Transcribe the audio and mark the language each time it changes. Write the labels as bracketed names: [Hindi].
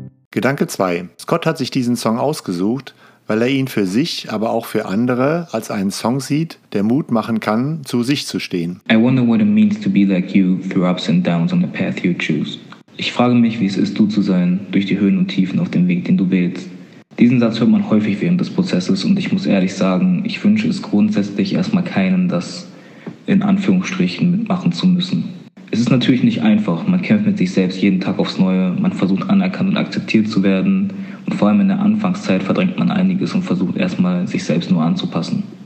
[German] Gedanke 2. Scott hat sich diesen Song ausgesucht, weil er ihn für sich, aber auch für andere als einen Song sieht, der Mut machen kann, zu sich zu stehen. [English] I wonder what it means to be like you through ups and downs on the path you choose. [German] Ich frage mich, wie es ist, du zu sein, durch die Höhen und Tiefen auf dem Weg, den du wählst. Diesen Satz hört man häufig während des Prozesses und ich muss ehrlich sagen, ich wünsche es grundsätzlich erstmal keinem, das in Anführungsstrichen mitmachen zu müssen. Es ist natürlich nicht einfach, man kämpft mit sich selbst jeden Tag aufs Neue, man versucht anerkannt und akzeptiert zu werden und vor allem in der Anfangszeit verdrängt man einiges und versucht erstmal, sich selbst nur anzupassen.